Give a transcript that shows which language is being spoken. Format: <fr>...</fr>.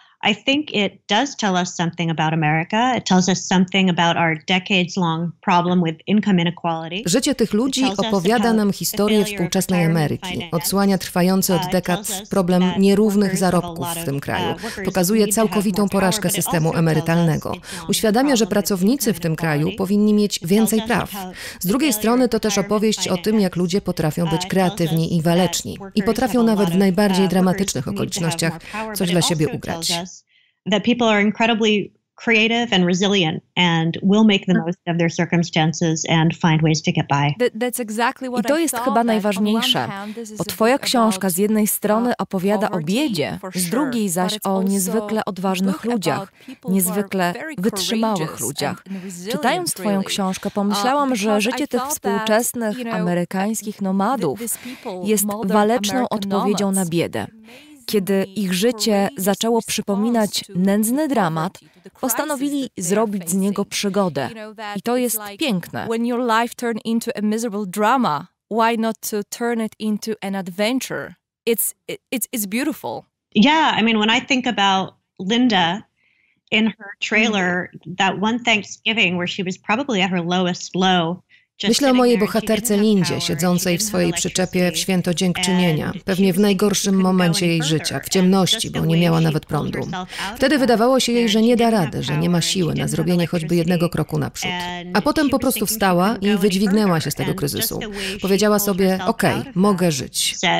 <en>I think it does tell us something about America. It tells us something about our decades-long problem with income inequality.</en> <pl>Życie tych ludzi opowiada nam historię współczesnej Ameryki. Odsłania trwający od dekad problem nierównych zarobków w tym kraju. Pokazuje całkowitą porażkę systemu emerytalnego. Uświadamia, że pracownicy w tym kraju powinni mieć więcej praw. Z drugiej strony to też opowieść o tym, jak ludzie potrafią być kreatywni i waleczni i potrafią nawet w najbardziej dramatycznych okolicznościach coś dla siebie ugrać.</pl> <en>That people are incredibly creative and resilient and will make the most of their circumstances and find ways to get by. That's exactly what I thought.</en> <pl>I to jest chyba najważniejsze, bo twoja książka z jednej strony opowiada o biedzie, z drugiej zaś o niezwykle odważnych ludziach, niezwykle wytrzymałych ludziach. Czytając twoją książkę, pomyślałam, że życie tych współczesnych amerykańskich nomadów jest waleczną odpowiedzią na biedę. Kiedy ich życie zaczęło przypominać nędzny dramat, postanowili zrobić z niego przygodę. I to jest piękne.</pl> <en>When your life turned into a miserable drama, why not to turn it into an adventure? It's beautiful. Yeah, I mean, when I think about Linda in her trailer, that one Thanksgiving where she was probably at her lowest low.</en> <pl>Myślę o mojej bohaterce Lindzie, siedzącej w swojej przyczepie w święto dziękczynienia, pewnie w najgorszym momencie jej życia, w ciemności, bo nie miała nawet prądu. Wtedy wydawało się jej, że nie da rady, że nie ma siły na zrobienie choćby jednego kroku naprzód. A potem po prostu wstała i wydźwignęła się z tego kryzysu. Powiedziała sobie, okej, mogę żyć.</pl>